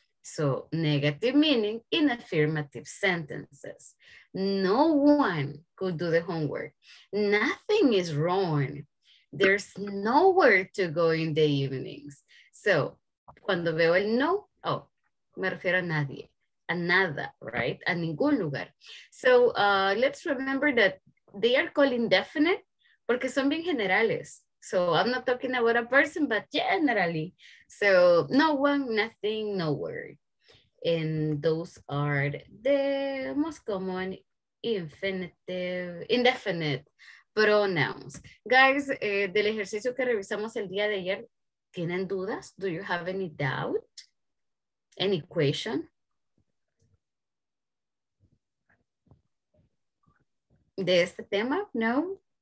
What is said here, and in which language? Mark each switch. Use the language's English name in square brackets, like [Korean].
[English] So negative meaning in affirmative sentences. No one could do the homework. Nothing is wrong. There's nowhere to go in the evenings. [Spanish] So cuando veo el no, oh, me refiero a nadie, a nada, right? A ningún lugar. [English] So let's remember that they are called indefinite. [Spanish] Porque son bien generales. [English] So I'm not talking about a person, but generally. So no one, nothing, nowhere. And those are the most common indefinite pronouns. [Spanish] Guys, del ejercicio que revisamos el día de ayer, ¿tienen dudas? [English] Do you have any doubt? Any question? [Spanish] ¿De este tema? No.